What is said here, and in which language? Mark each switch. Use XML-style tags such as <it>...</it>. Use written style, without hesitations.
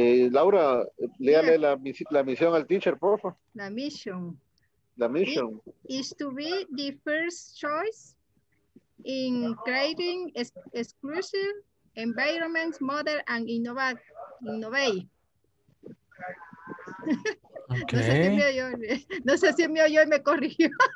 <es>Laura, léale la misión al teacher, por favor. La mission.</es> <en>It is to be the first choice in creating exclusive environment model and innovate. Okay.</en> <es>No sé si me oyó y me corrigió.</es>